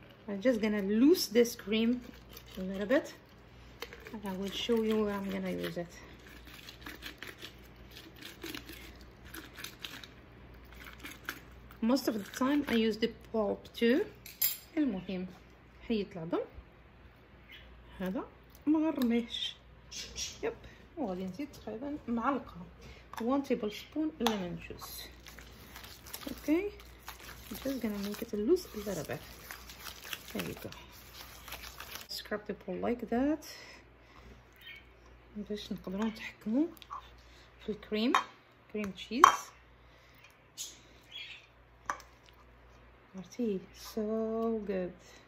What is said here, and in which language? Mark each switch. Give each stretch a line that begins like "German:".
English: I'm just gonna loose this cream a little bit and I will show you where I'm gonna use it. Most of the time I use the pulp too.
Arabic: المهم حيطلع دم هذا مغرميش. يب وغادي نزيد تقريبا معلقة 1
English: Tablespoon ليمون juice. Okay I'm just gonna make it loose a little bit. There you go. Scrub the bowl like that.
Arabic: باش نقدرو نتحكمو في الكريم، كريم تشيز. عرفتي؟
English: So good.